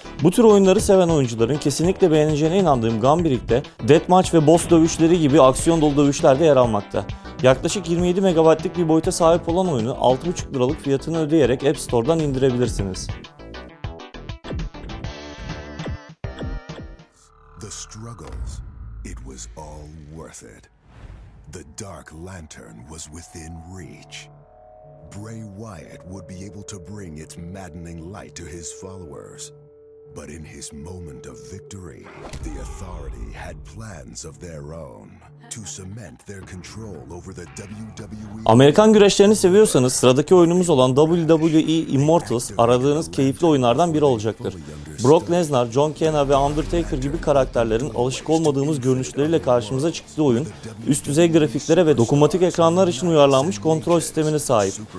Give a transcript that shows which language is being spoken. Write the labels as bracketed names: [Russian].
[Turkish] Bu tür oyunları seven oyuncuların kesinlikle beğeneceğine inandığım Gambrick'te Deathmatch ve Boss dövüşleri gibi aksiyon dolu dövüşler de yer almakta. Yaklaşık 27 MB'lık bir boyuta sahip olan oyunu 6,5 liralık fiyatını ödeyerek App Store'dan indirebilirsiniz. [English] The struggles, it was all worth it. The Dark Lantern was within reach. Bray Wyatt would be able to bring its maddening light to his followers. But in his moment of victory, the Authority had plans of their own to cement their control over the WWE. [Turkish] Amerikan güreşlerini seviyorsanız sıradaki oyunumuz olan WWE Immortals aradığınız keyifli oyunlardan biri olacaktır. Brock Lesnar, John Cena ve Undertaker gibi karakterlerin alışık olmadığımız görünüşleriyle karşımıza çıktığı oyun, üst düzey grafiklere ve dokunmatik ekranlar için uyarlanmış kontrol sistemine sahip.